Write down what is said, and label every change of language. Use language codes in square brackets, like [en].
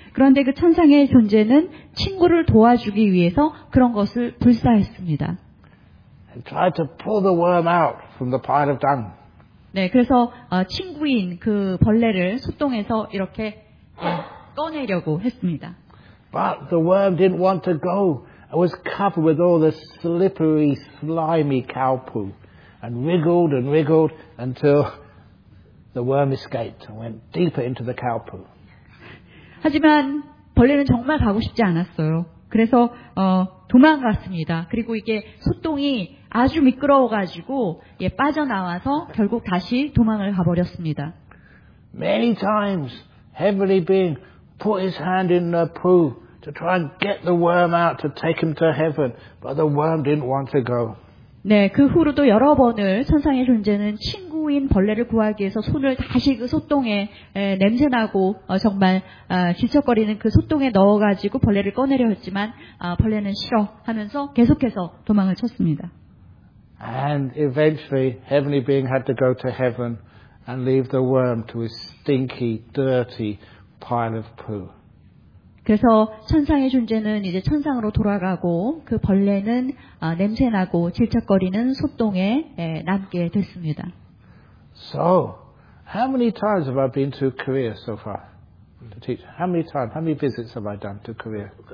[ko] 그런데 그 천상의 존재는 친구를 도와주기 위해서 그런 것을 불사했습니다. [en] And tried to pull the worm out from the pile of dung. [ko] 네, 그래서 친구인 그 벌레를 소똥에서 이렇게 꺼내려고 했습니다. [en] But the worm didn't want to go. It was covered with all this slippery, slimy cow poo, and wriggled until the worm escaped and went deeper into the cow poo. [ko] 하지만 벌레는 정말 가고 싶지 않았어요. 그래서 도망갔습니다. 그리고 이게 소똥이 아주 미끄러워가지고 예, 빠져나와서 결국 다시 도망을 가버렸습니다. [en] Many times, heavenly being put his hand in the poo to try and get the worm out to take him to heaven, but the worm didn't want to go. [ko] 네, 그 후로도 여러 번을 천상의 존재는 친구인 벌레를 구하기 위해서 손을 다시 그 소똥에 에, 냄새나고 정말 질척거리는 그 소똥에 넣어가지고 벌레를 꺼내려 했지만 벌레는 싫어하면서 계속해서 도망을 쳤습니다. [en] And eventually, heavenly being had to go to heaven and leave the worm to his stinky, dirty pile of poo. [ko] 그래서 천상의 존재는 이제 천상으로 돌아가고 그 벌레는 냄새나고 질척거리는 소똥에 남게 됐습니다. [en] So, how many times have I been to Korea so far to teach? How many times, how many visits have I done to Korea?